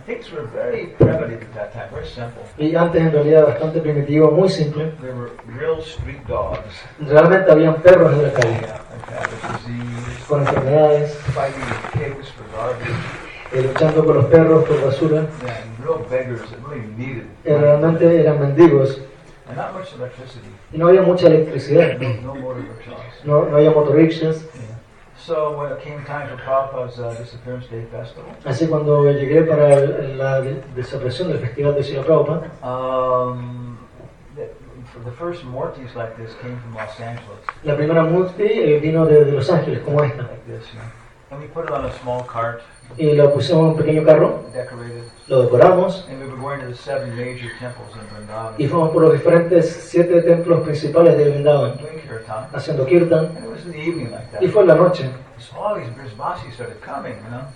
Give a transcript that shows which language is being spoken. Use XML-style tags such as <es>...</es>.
<en>Things were very primitive at that time, very simple.</en> <es>Y antes en realidad bastante primitivo, muy simple.</es> <en>There were real street dogs.</en> <es>Realmente habían perros en la calle.</es> <en>Yeah, disease,</en> <es>con enfermedades.</es> <en>Fighting with pigs for garbage.</en> <es>Luchando con los perros por basura.</es> <en>Yeah, and real beggars that really needed.</en> <es>Y realmente eran mendigos.</es> <en>And not much electricity.</en> <es>Y no había mucha electricidad.</es> <en>No motor rickshaws.</en> <es>No había motor rickshaws.</es> <en>So when it came time for Prabhupada's disappearance day festival.</en> <es>Así cuando llegué para la desaparición del festival de Srila Prabhupada.</es> <en>The first murtis like this came from Los Angeles.</en> <es>La primera murti vino de Los Ángeles, como esta.</es> <en>Like this, yeah. And we put it on a small cart.</en> <es>Y lo pusimos en un pequeño carro.</es> <en>Decorated.</en> <es>Lo decoramos.</es> <en>And we were going to the seven major temples in Vrindavan.</en> <es>Y fuimos por los diferentes siete templos principales de Vrindavan.</es> <en>Kirtan.</en> <es>Haciendo kirtan.</es> <en>And it was in the evening like that.</en> <es>Y fue en la noche.</es> <en>So all these brisbasis started coming, you know.</en>